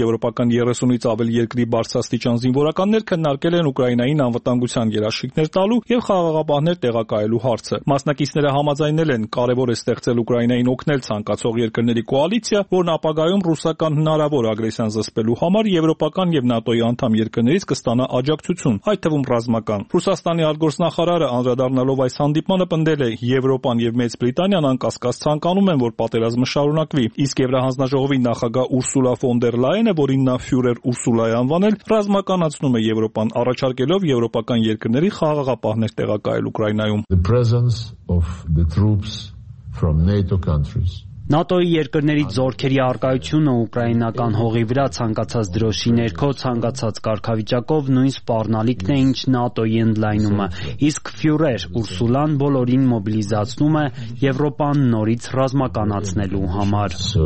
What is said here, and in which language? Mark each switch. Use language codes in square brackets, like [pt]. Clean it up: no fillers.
[hy] եվրոպական 30-ից ավելի երկրի բարձրաստիճան զինվորականներ քննարկել են Ուկրաինային անվտանգության երաշխիքներ տալու եւ խաղաղապահներ տեղակայելու հարցը։ Մասնակիցները համաձայնել են, կարևոր է ստեղծել Ուկրաինային օգնել ցանկացող երկրների կոալիցիա, որն ապագայում ռուսական հնարավոր ագրեսիան զսպելու համար եվրոպական եւ ՆԱՏՕ-ի անդամ երկրներից կստանա աջակցություն, այդ թվում ռազմական։ Ռուսաստանի արտգործնախարարը անդրադառնալով այս հանդիպմանը պնդել է, Եվրոպան եւ Մեծ Բրիտանիան անկասկած ցանկանում են, որ պատերազմը շարունակվի, իսկ Եվրահանձնաժողովի նախագահ Ուրսուլա ֆոն դեր Լայենը, որին նա Ֆյուրեր Ուրսուլա է անվանել, ռազմականացնում է Եվրոպան, առաջարկելով եվրոպական երկրների խաղաղապահներ տեղակայել Ուկրաինայում։ [en] The presence of the troops from NATO countries. [hy] ՆԱՏՕ-ի երկրների զորքերի առկայությունը ուկրաինական հողի վրա ցանկացած դրոշի ներքո ցանկացած կարգավիճակով նույն սպառնալիքն է, ինչ ՆԱՏՕ-ի ընդլայնումը։ Իսկ Ֆյուրեր Ուրսուլան բոլորին մոբիլիզացնում է Եվրոպան նորից ռազմականացնելու համար։